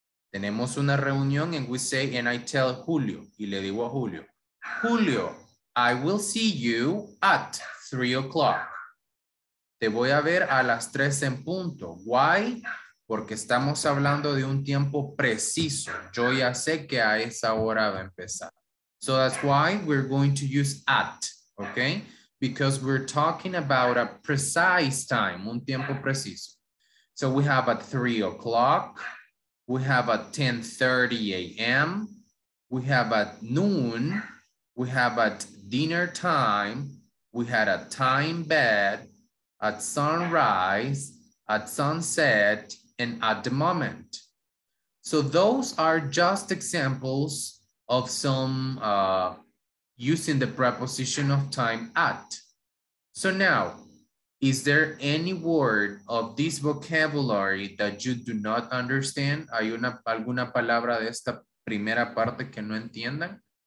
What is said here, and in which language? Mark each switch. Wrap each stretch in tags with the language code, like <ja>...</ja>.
<es>Tenemos una reunión</es> <en>and we say, and I tell Julio,</en> <es>y le digo a Julio,</es> <en>Julio, I will see you at 3 o'clock.</en> <es>Te voy a ver a las 3 en punto.</es> <en>Why?</en> <es>Porque estamos hablando de un tiempo preciso. Yo ya sé que a esa hora va a empezar.</es> <en>So that's why we're going to use at, okay? Because we're talking about a precise time,</en> <es>un tiempo preciso.</es> <en>So we have at 3 o'clock, we have at 10:30 a.m., we have at noon, we have at dinner time, we had at time bed, at sunrise, at sunset, and at the moment. So those are just examples of some using the preposition of time at. So now, is there any word of this vocabulary that you do not understand?</en> <es>¿Hay una, alguna palabra de esta primera parte que no entiendan?</es>